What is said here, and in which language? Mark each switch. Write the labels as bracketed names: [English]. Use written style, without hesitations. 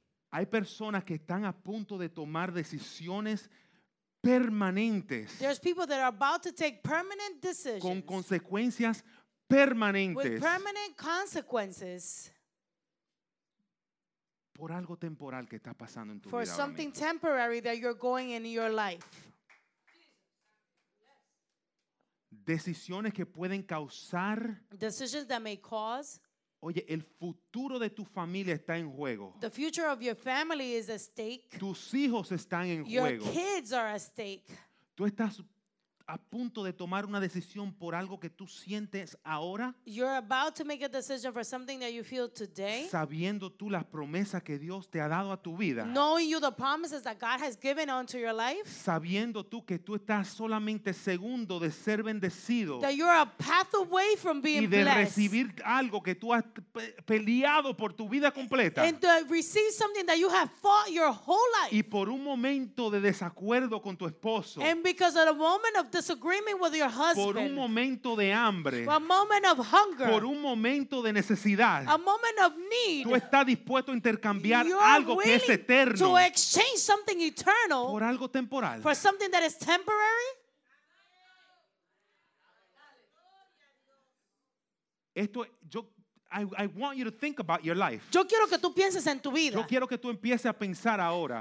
[Spanish] Hay personas que están a punto de tomar decisiones permanentes. [English] There's people that are about to take permanent decisions. [Spanish] Con consecuencias permanentes. [English] With permanent consequences. [Spanish] Por algo temporal que está pasando en tu [English] for [Spanish] vida. [English] For something temporary that you're going in your life. [Spanish] Decisiones que pueden causar. [English] Decisions that may cause. [Spanish] Oye, el futuro de tu familia está en juego. [English] The future of your family is at stake. [Spanish] Tus hijos están en [English] your [Spanish] juego. [English] Your kids are at stake. [Spanish] Tú estás a punto de tomar una decisión por algo que tú sientes ahora. [English] You're about to make a decision for something that you feel today. [Spanish] Sabiendo tú las promesas que Dios te ha dado a tu vida. [English] Knowing you the promises that God has given unto your life. [Spanish] Sabiendo tú que tú estás solamente segundo de ser bendecido. [English] That you're a path away from being blessed. [Spanish] Y de recibir algo que tú has peleado por tu vida completa. [English] And to receive something that you have fought your whole life. [Spanish] Y por un momento de desacuerdo con tu esposo. [English] And because of a moment of disagreement with your husband. [Spanish] Por un momento de hambre. [English] A moment of hunger. [Spanish] Por un momento de necesidad. [English] A moment of need. [Spanish] Tú estás dispuesto a intercambiar algo que es eterno. [English] To exchange something eternal. [Spanish] Por algo temporal. [English] For something that is temporary. [Spanish] Esto yo [English] I want you to think about your life. [Spanish] Yo quiero que tú pienses en tu vida. Yo quiero que tú empieces a pensar ahora.